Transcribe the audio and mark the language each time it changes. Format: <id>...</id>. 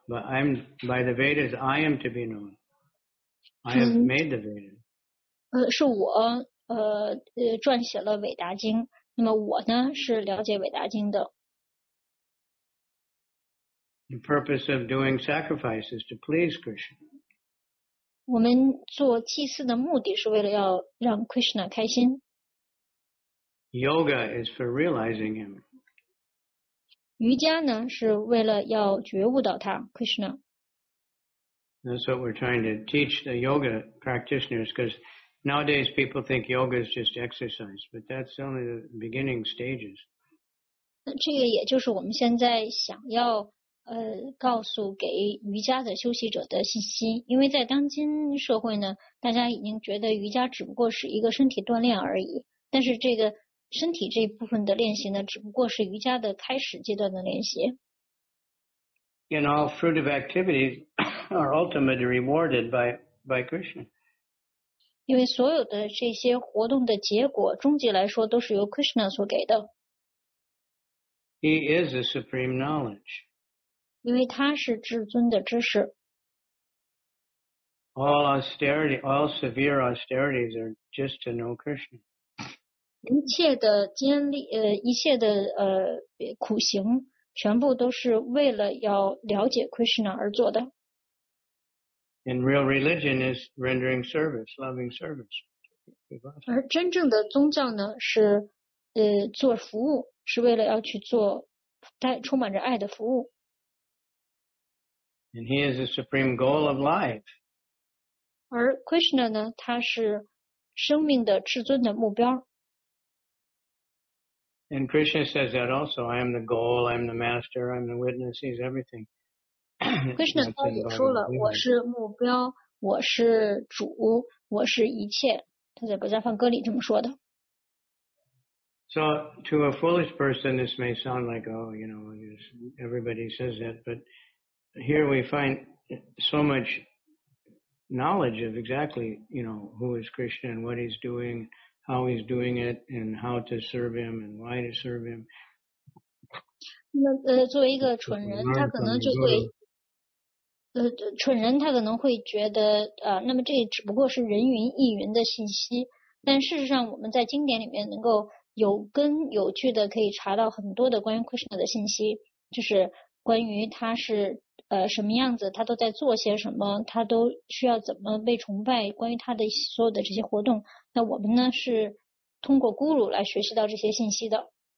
<en>But I'm by the Vedas, I am to be known. I have made the Vedas.</en> <zh>是我撰写了伟达经，那么我呢是了解伟达经的。</zh> <en>The purpose of doing sacrifice is to please Krishna.</en> <zh>我们做祭祀的目的是为了要让 Krishna 开心。</zh> <en>Yoga is for realizing him.</en> <zh>瑜伽呢是为了要觉悟到他 Krishna.</zh> <en>That's what we're trying to teach the yoga practitioners, because nowadays people think yoga is just exercise, but that's only the beginning stages.</en> <zh>那这个也就是我们现在想要告诉给瑜伽的修习者的信息，因为在当今社会呢，大家已经觉得瑜伽只不过是一个身体锻炼而已，但是这个身体这部分的练习呢，只不过是瑜伽的开始阶段的练习。</zh> <en>And all fruitive activities are ultimately rewarded by Krishna.</en> <zh>因为所有的这些活动的结果，终极来说都是由 Krishna 所给的。</zh> <en>He is the supreme knowledge.</en> <zh>因为他是至尊的知识。</zh> <en>All austerity, all severe austerities are just to know Krishna.</en> <zh>一切的艰厉，一切的苦行，全部都是为了要了解 Krishna 而做的。</zh> <en>And real religion is rendering service, loving service.</en> <zh>而真正的宗教呢，是做服务，是为了要去做带充满着爱的服务。</zh> <en>And he is the supreme goal of life.</en> <zh>而 Krishna 呢，他是生命的至尊的目标。</zh> <en>And Krishna says that also. I am the goal. I am the master. I am the witness. He's everything.</en> <zh>Krishna 他也说了，我是目标，我是主，我是一切。他在《格加梵歌》里这么说的。</zh> <en>So to a foolish person, this may sound like, oh, you know, everybody says that, but here we find so much knowledge of exactly, you know, who is Krishna and what he's doing, how he's doing it, and how to serve him and why to serve him.</en> <zh>那作为一个蠢人，他可能就会蠢人他可能会觉得那么这只不过是人云亦云的信息，但事实上我们在经典里面能够有根有据的可以查到很多的关于 Krishna 的信息，就是关于他是什么样子，他都在做些什么，他都需要怎么被崇拜，关于他的所有的这些活动，那我们呢是通过咕噜来学习到这些信息的。</zh>